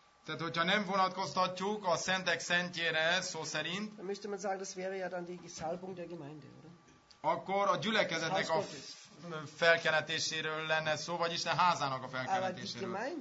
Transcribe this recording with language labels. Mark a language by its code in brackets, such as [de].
[hu] Tehát, hogyha nem vonatkoztatjuk a szentek szentjére szó szerint. [de] Dann müsste man sagen, das wäre ja dann die Salbung der Gemeinde, oder? [hu] Akkor a gyülekezetnek a felkenetéséről lenne szó, vagy Isten házának a felkenetéséről.